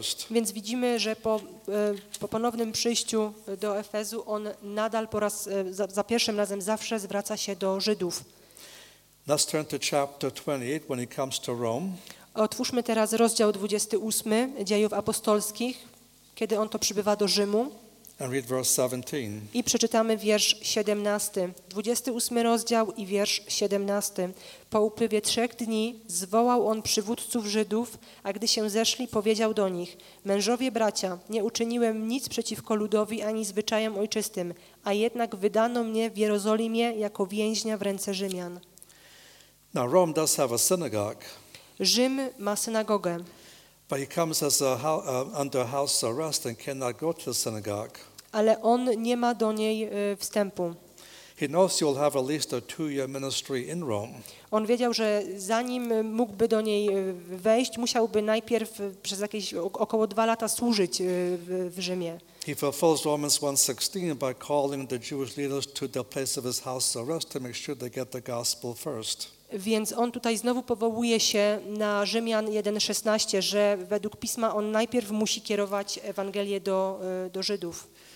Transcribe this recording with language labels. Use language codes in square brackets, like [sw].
[pl] Więc widzimy, że po ponownym przyjściu do Efezu on nadal za pierwszym razem zawsze zwraca się do Żydów. [en] Let's turn to chapter 28 when he comes to Rome. [pl] Otwórzmy teraz rozdział 28 Dziejów Apostolskich, kiedy on to przybywa do Rzymu. [en] And read verse 17. [pl] I przeczytamy wiersz 17. 28 rozdział i wiersz 17. Po upływie 3 dni zwołał on przywódców Żydów, a gdy się zeszli, powiedział do nich: mężowie bracia, nie uczyniłem nic przeciwko ludowi ani zwyczajom ojczystym, a jednak wydano mnie w Jerozolimie jako więźnia w ręce Rzymian. [en] Now Rome does have a synagogue. [pl] Rzym ma synagogę. [en] But he comes as under house arrest and cannot go to the synagogue. [pl] Ale on nie ma do niej wstępu. [en] He knows he will have at least a 2-year ministry in Rome. [pl] On wiedział, że zanim mógłby do niej wejść, musiałby najpierw przez jakieś około 2 lata służyć w Rzymie. [en] He fulfills Romans 1:16 by calling the Jewish leaders to the place of his house arrest to make sure they get the gospel first. [pl] Więc on tutaj znowu powołuje się na Rzymian 1:16, że według Pisma on najpierw musi kierować Ewangelię do Żydów.